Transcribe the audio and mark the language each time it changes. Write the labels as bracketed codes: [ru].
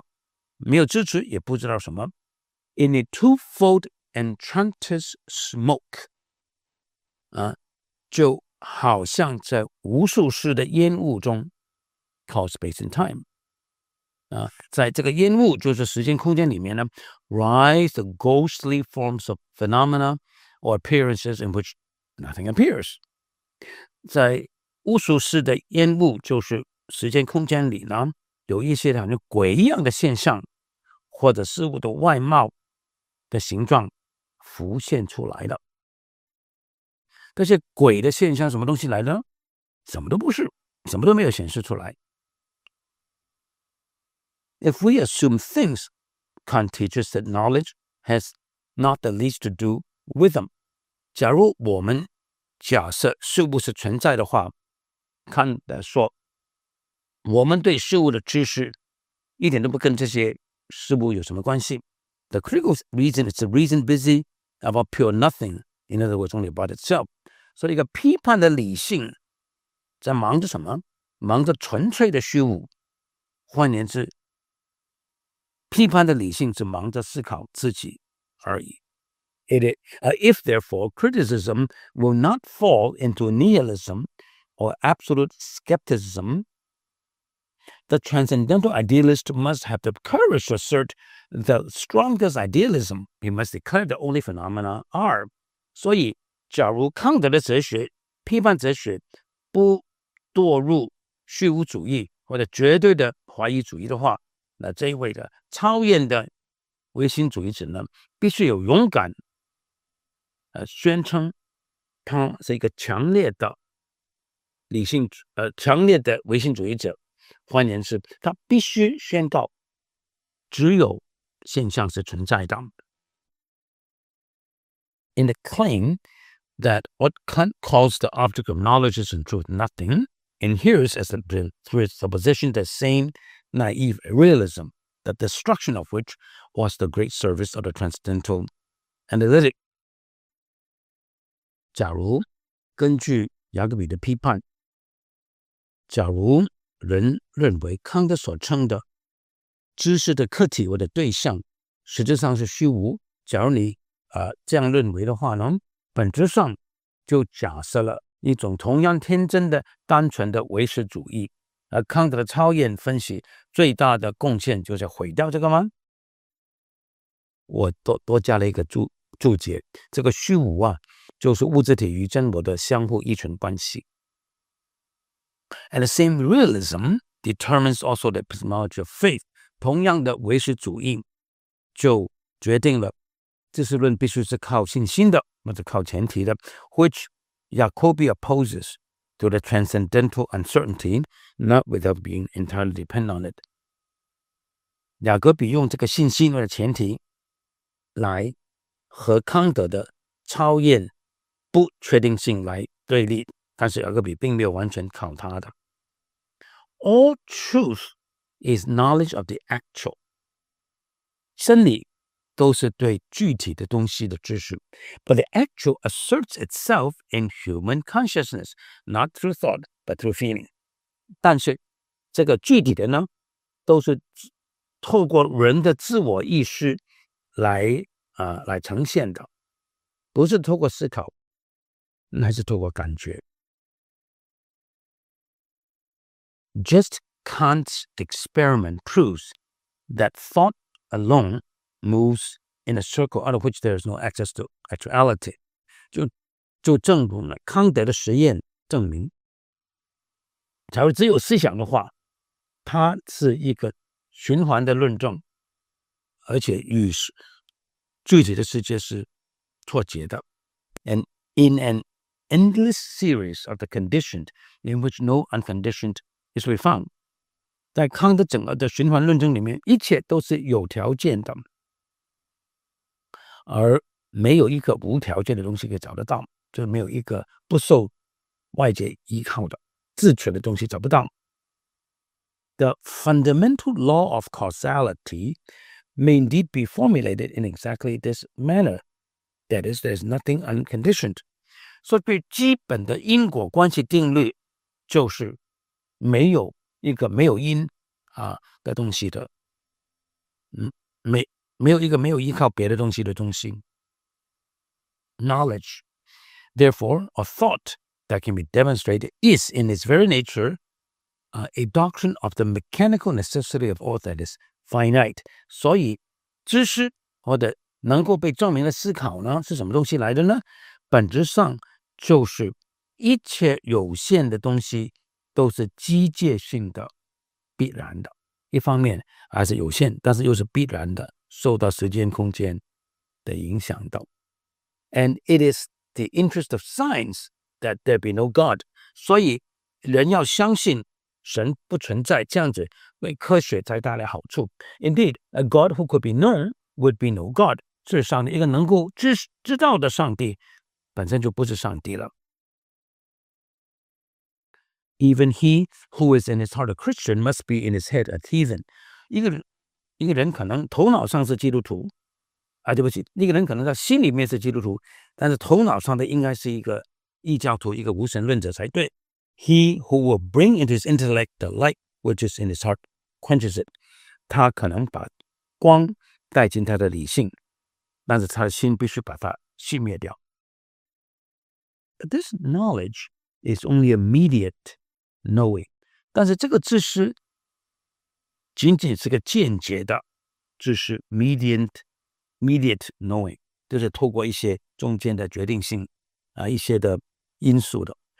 [zh] 理智呢在前面也没有看到什么，也不知道什么，没有支持也不知道什么。 [en] In a twofold entrantous smoke, [zh] 就好像在无数次的烟雾中。 [en] Called space and time. [zh] 在这个烟雾就是时间空间里面呢, [en] rise the ghostly forms of phenomena or appearances in which nothing appears. [zh] 在无数世的烟雾就是时间空间里呢, 有一些好像鬼一样的现象或者事物的外貌的形状浮现出来了。这些鬼的现象什么东西来呢? 什么都不是, 什么都没有显示出来。 [en] If we assume things, Kant teaches that knowledge has not the least to do with them. [zh] 假如我们假设事物是存在的话, Kant 说, 我们对事物的知识一点都不跟这些事物有什么关系, [en] The critical reason is the reason busy about pure nothing. In other words, only about itself. [zh] 所以一个批判的理性在忙着什么？忙着纯粹的虚无。换言之，批判的理性只忙着思考自己而已。 [en] If therefore criticism will not fall into nihilism or absolute skepticism, the transcendental idealist must have the courage to assert the strongest idealism. He must declare the only phenomena are. [zh] 所以假如康德的哲学、批判哲学不堕入虚无主义或者绝对的怀疑主义的话，那这一位的超验的唯心主义者呢，必须有勇敢宣称他是一个强烈的理性强烈的唯心主义者。换言之，他必须宣告只有现象是存在的。 [en] In the claim that what Kant calls the object of knowledge is in truth nothing, inheres as a presupposition the same naive realism, the destruction of which was the great service of the transcendental analytic. [zh] 假如根据雅各比的批判，假如人认为康德所称的知识的客体或者对象实质上是虚无，假如你这样认为的话呢，本质上就假设了一种同样天真的单纯的唯识主义，而康德的超验分析最大的贡献就是毁掉这个吗？我 多加了一个 注解，这个虚无啊，就是物质体与真我的相互依存关系。 [en] And the same realism determines also the epistemology of faith. [zh] 同样的唯识主义就决定了知识论必须是靠信心的，或者靠前提的 ， [en] which Jacobi opposes to the transcendental uncertainty, not without being entirely dependent on it. [zh] 雅各比用这个信心的前提来和康德的超验不确定性来对立，但是雅各比并没有完全考他的。 [en] All truth is knowledge of the actual. [zh] 真理都是对具体的东西的知识。 [en] But the actual asserts itself in human consciousness, not through thought, but through feeling. [zh] 但是这个具体的呢，都是透过人的自我意识 来呈现的，不是透过思考，还是透过感觉。 [en] Just Kant's experiment proves that thought aloneMoves in a circle out of which there is no access to actuality. [zh] 就证明了康德的实验证明，假如只有思想的话，它是一个循环的论证，而且与具体的世界是脱节的。 [en] And in an endless series of the conditioned in which no unconditioned is refined, [zh] 在康德整个的循环论证里面，一切都是有条件的。而没有一个无条件的东西可以找得到，就是没有一个不受外界依靠的自存的东西找不到。 [en] The fundamental law of causality may indeed be formulated in exactly this manner. That is, there is nothing unconditioned. [zh] 所以基本的因果关系定律就是没有一个没有因的东西的。没有一个没有依靠别的东西的东西。 [en] Knowledge, therefore, a thought that can be demonstrated is, in its very nature, a doctrine of the mechanical necessity of all that is finite. [zh] 所以知识或者能够被证明的思考呢，是什么东西来的呢？本质上就是一切有限的东西都是机械性的必然的。一方面还是有限，但是又是必然的。受到时间空间的影响到。 [en] And it is the interest of science that there be no God. [zh] 所以人要相信神不存在，这样子为科学才带来好处。 [en] Indeed, a God who could be known would be no God. [zh] 事实上一个能够 知道的上帝本身就不是上帝了。 [en] Even he who is in his heart a Christian must be in his head a heathen. [zh] 一个人可能头脑上是基督徒，啊，对不起，那个人可能在心里面是基督徒，但是头脑上的应该是一个异教徒，一个无神论者才对。 [en] He who will bring into his intellect the light which is in his heart quenches it. [zh] 他可能把光带进他的理性，但是他的心必须把它熄灭掉。 [en] This knowledge is only immediate knowing. [zh] 但是这个知识仅仅是个间接的知识 [en] immediate knowing, [zh] 就是透过一些中间的决定性、啊、一些的因素的。